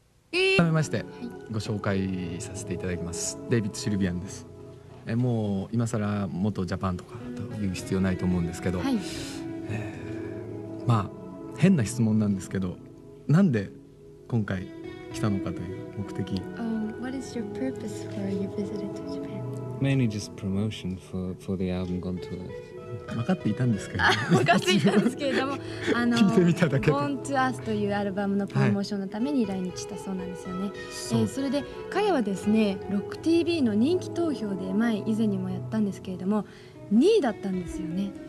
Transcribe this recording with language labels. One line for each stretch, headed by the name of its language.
Japanese: 改めましてご紹介させていただきます。デイビッド・シルビアンです。もう今更元ジャパンとかという必要ないと思うんですけど、はい、まあ変な質問なんですけど、なんで今回来たのかという目的。
English: What is your purpose for your visit to Japan? Mainly just promotion for the album Gone to Earth.
Japanese: 分かっていたんですけど、分かっていたんですけれども、聞いてみただけ。 Gone to Earth というアルバムのプロモーションのために来日したそうなんですよね。はい、それで彼はですね、ロック TV の人気投票で前以前にもやったんですけれども、2位だったんですよね。